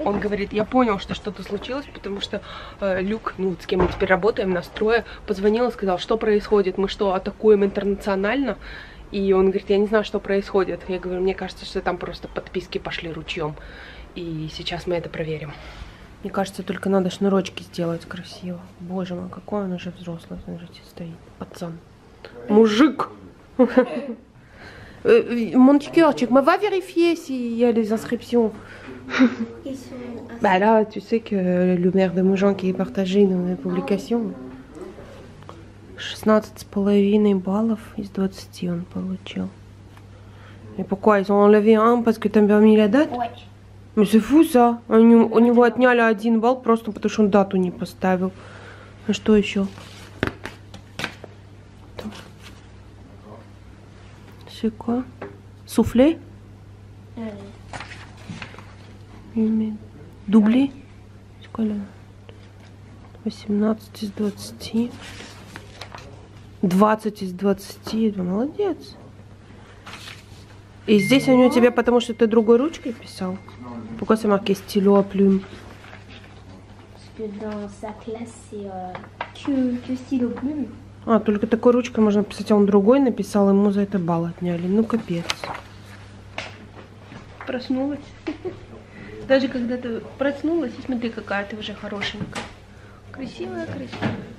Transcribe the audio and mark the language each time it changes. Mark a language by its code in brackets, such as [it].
[ru] Он говорит, я понял, что что-то случилось, потому что Люк, ну, с кем мы теперь работаем, нас трое, позвонил и сказал, что происходит, мы что, атакуем интернационально? И он говорит, я не знаю, что происходит. Я говорю, мне кажется, что там просто подписки пошли ручьем, и сейчас мы это проверим. Мне кажется, только надо шнурочки сделать красиво. Боже мой, какой он уже взрослый, смотрите, стоит. Пацан. Мужик! [fr] Mon cœur, tu me vas vérifier s'il y a des inscriptions. Bah là, tu sais que le maire de Mougins qui a partagé une publication. [ru] 16,5 баллов из 20 он получил. [fr] Et pourquoi ils ont enlevé un parce que t'as mis la date? Ouais. Mais c'est fou ça. [ru] Они, у него отняли один балл просто потому что он дату не поставил. А что еще? [fr] C'est quoi? Soufflé? Humide. Doublé? C'est quoi là? 18 из 20. [ru] 20 из 20. Молодец. И здесь они у тебя, потому что ты другой ручкой писал. [fr] Pourquoi c'est marqué stylo à plume? Parce que dans sa classe, c'est que stylo plume. [ru] А, только такой ручкой можно писать, а он другой написал, ему за это балл отняли. Ну, капец. Проснулась. Даже когда ты проснулась, и смотри, какая ты уже хорошенькая. Красивая, красивая.